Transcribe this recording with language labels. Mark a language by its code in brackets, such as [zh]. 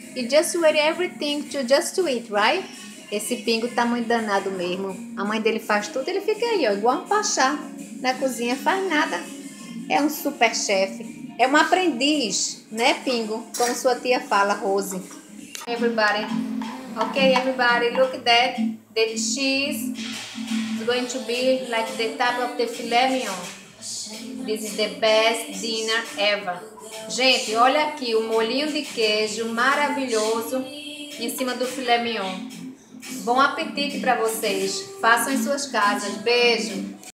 [en] You just wear everything to just to eat, right? [pt] Esse Pingo tá muito danado mesmo. A mãe dele faz tudo, ele fica aí, ó, igual um pachá. Na cozinha faz nada. É um super chefe. É um aprendiz, né, Pingo? Como sua tia fala, Rose. [en] Everybody. Ok, everybody, look at that. The cheese is going to be like the top of the filet mignon. This is the best dinner ever. [pt] Gente, olha aqui o molhinho de queijo maravilhoso em cima do filet mignon. Bom apetite para vocês. Façam em suas casas. Beijo.